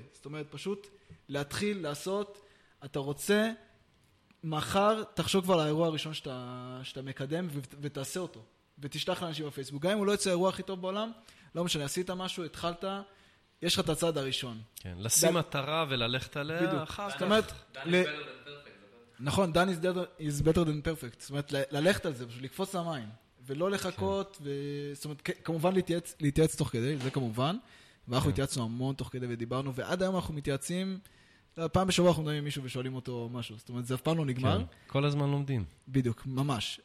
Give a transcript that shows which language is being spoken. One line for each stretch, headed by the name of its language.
Hebrew: זאת אומרת, פשוט להתחיל לעשות, אתה רוצה, מחר תחשוב כבר לאירוע הראשון שאתה מקדם ותעשה אותו, ותשלח לאנשים בפייסבוק. גם אם הוא לא יצא האירוע הכי טוב בעולם, לא משנה, עשית משהו, התחלת, יש לך את הצד הראשון. כן, לשים מטרה וללכת עליה אחר כך. זאת אומרת, נכון,
English: done is better than perfect.
Hebrew: זאת אומרת, ללכת על זה, פשוט לקפוץ למים, ולא לחכות, זאת אומרת, כמובן להתייעץ תוך כדי, זה כמובן, ואנחנו התייעצנו המון תוך כדי ודיברנו, ועד היום אנחנו מתייעצים, פעם בשבוע אנחנו מדברים עם מישהו ושואלים אותו משהו, זאת אומרת, זה אף פעם לא נגמר. כל הזמן לומדים. בדיוק, ממש.